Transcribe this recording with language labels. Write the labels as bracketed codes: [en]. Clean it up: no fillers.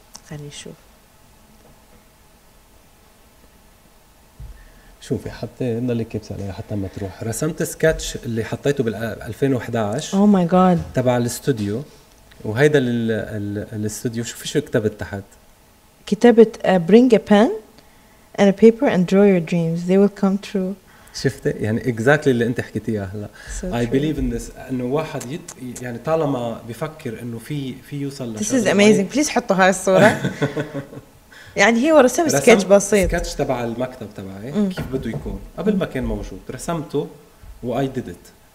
[ar] خليني اشوف. شوفي حطيت، ضلي كبس عليها حتى ما تروح. رسمت سكتش اللي حطيته بال 2011 [en] oh my god [ar] تبع الاستوديو، وهيدا الاستوديو. شوفي شو كتبت تحت، كتبت [en] bring a pen and a paper and draw your dreams they will come true. [ar] شفتي يعني اكزاكتلي اللي انت حكيتيها هلا. [en] I believe in this, [ar] انه واحد يعني طالما بفكر انه في يوصل لشيء. [en] This is amazing. [ar] بليز حطوا هاي الصوره. يعني هي ورسم سكتش بسيط، سكتش تبع المكتب تبعي كيف بده يكون قبل ما كان موجود، رسمته و [en] I did it.